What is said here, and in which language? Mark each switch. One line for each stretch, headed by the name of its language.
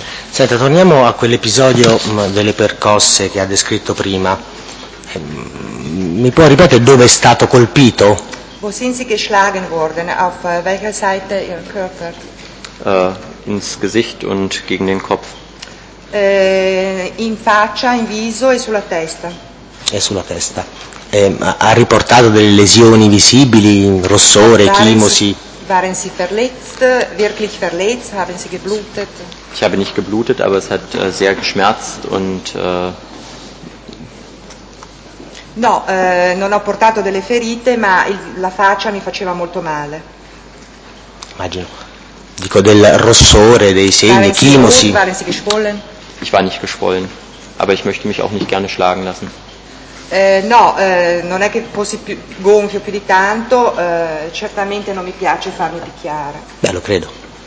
Italian: Senta, torniamo a quell'episodio delle percosse che ha descritto prima. Mi può ripetere dove è stato colpito?
German: Wo sind Sie geschlagen worden? Auf welcher Seite Ihr Körper? Ins Gesicht und gegen den Kopf.
Italian: In faccia, in viso e sulla testa. E sulla testa. Ha riportato delle lesioni visibili, rossore, chimosi?
German: Waren Sie verletzt, wirklich verletzt? Haben Sie geblutet? Ich habe nicht geblutet, aber es hat sehr geschmerzt und
Italian: No, non ho portato delle ferite, ma la faccia mi faceva molto male. Immagino. Dico del rossore, dei segni, chimosi.
German: Waren Sie geschwollen? Ich war nicht geschwollen, aber ich möchte mich auch nicht gerne schlagen lassen.
Italian: No, non è che fossi gonfio più di tanto, certamente non mi piace farmi picchiare. Beh, lo credo.